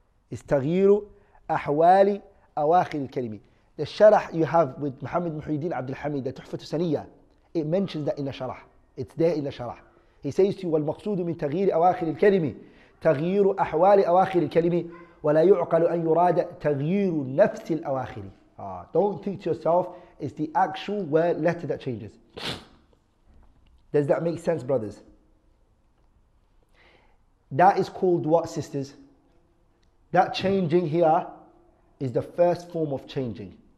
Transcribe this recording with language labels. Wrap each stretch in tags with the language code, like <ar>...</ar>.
<ar>It's تغيير أحوال أواخر الكلمة.</ar> <en>The sharah you have with Muhammad Muhyiddin Abdul Hamid, the Tuhfatu Saniyya, it mentions that in the sharah. It's there in the sharah. He says to you,</en> <ar>والمقصود من تغيير أواخر الكلمة تغيير أحوال أواخر الكلمة ولا يعقل أن يراد تغيير نفس الأواخر.</ar> <en>Don't think to yourself, it's the actual word letter that changes. Does that make sense, brothers? That is called what, sisters? That changing here is the first form of changing.</en>